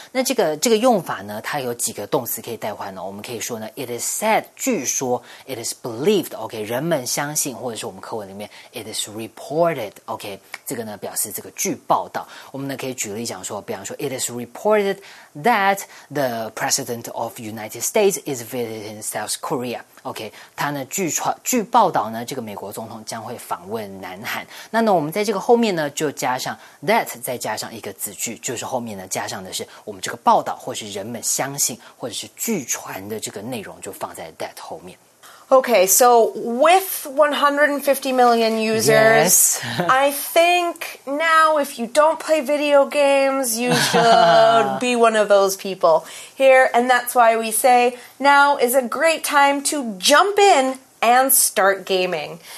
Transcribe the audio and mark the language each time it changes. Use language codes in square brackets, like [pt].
[zh] 那这个用法呢，它有几个动词可以代换呢？我们可以说呢 ， [en] it is said [zh] 据说 ， [en] it is believed. [zh] Okay, 人们相信，或者是我们课文里面 ， [en] it is reported. [zh] Okay, 这个呢，表示这个据报道。我们呢可以举例讲说，比方说 [en] ，it is reported that the president of United States is visiting South Korea. [zh] OK, 他呢据报道呢这个美国总统将会访问南韩。那呢我们在这个后面呢就加上 that, 再加上一个子句就是后面呢加上的是我们这个报道或是人们相信或者是据传的这个内容就放在 that 后面。 [en] OK, so with 150 million users,、 yes. I think now if you don't play video games, you should be one of those people here. And that's why we say now is a great time to jump in and start gaming.